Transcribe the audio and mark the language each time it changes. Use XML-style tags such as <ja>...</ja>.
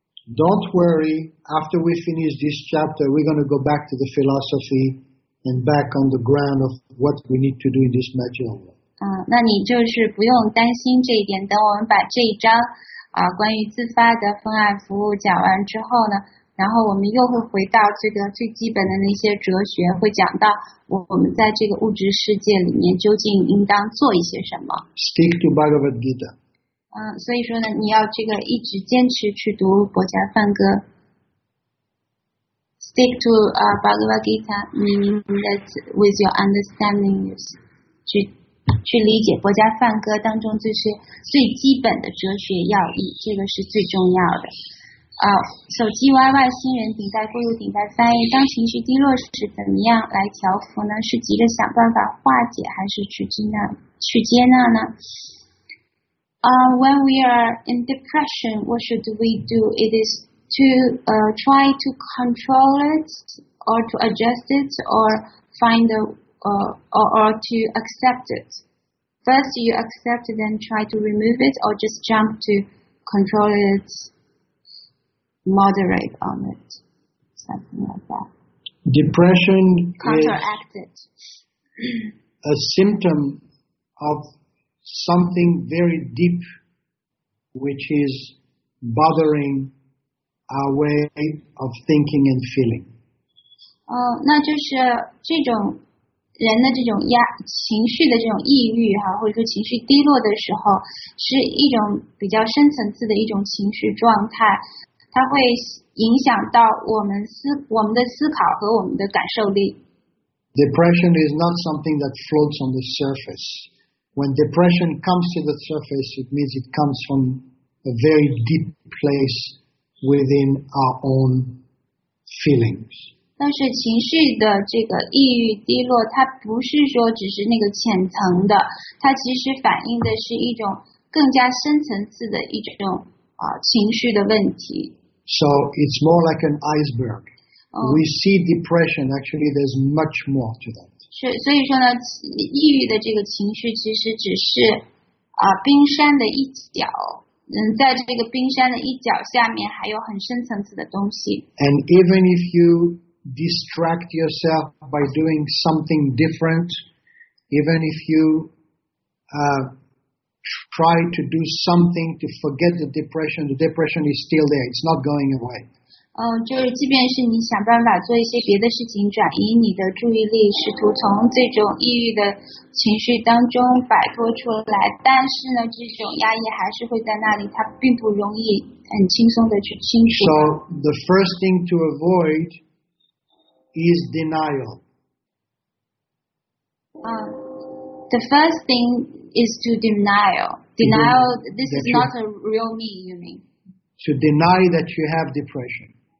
<en>Don't worry, after we finish this chapter, we're going to go back to the philosophy and back on the ground of what we need to do in this material world.</en> <zh>那你就是不用担心这一点，等我们把这一章关于自发的奉爱服务讲完之后呢，然后我们又会回到这个最基本的那些哲学，会讲到我们在这个物质世界里面究竟应当做一些什么。</zh> <en>Stick to Bhagavad Gita.</en> <zh>所以说呢，你要这个一直坚持去读《薄伽梵歌》。</zh> <en>Stick to Bhagavad Gita, meaning that with your understanding,</en> <zh>去理解《薄伽梵歌》当中这些最基本的哲学要义，这个是最重要的。手机 YY 新人顶戴过度顶戴翻译，当情绪低落时，怎么样来调伏呢？是急着想办法化解，还是去接纳呢？</zh> <en>When we are in depression, what should we do? It is to try to control it, or to adjust it, or find the, or to accept it. First, you accept it, then try to remove it, or just jump to control it, moderate on it, something like that. Depression counteract it. A symptom of. Something very deep, which is bothering our way of thinking and feeling.</en> <zh>那就是这种人的这种情绪的这种抑郁哈，或者说情绪低落的时候，是一种比较深层次的一种情绪状态，它会影响到我们的思考和我们的感受力。</zh> <en>Depression is not something that floats on the surface. When depression comes to the surface, it means it comes from a very deep place within our own feelings.</en> <zh>但是情绪的这个抑郁低落，它不是说只是那个浅层的，它其实反映的是一种更加深层次的一种情绪的问题。</zh> <en>So it's more like an iceberg. We see depression. Actually, there's much more to that.</en> <zh>所以说呢，抑郁的这个情绪其实只是冰山的一角。在这个冰山的一角下面还有很深层次的东西。</zh> <en>And even if you distract yourself by doing something different, even if you try to do something to forget the depression is still there. It's not going away.</en> <zh>就是即便是你想办法做一些别的事情转移你的注意力试图从这种抑郁的情绪当中摆脱出来但是呢这种压抑还是会在那里它并不容易很轻松的去清除</zh> <en>So the first thing to avoid is denial The first thing is to denial. Denial, this is not a real me, you mean? To deny that you have depression.</en>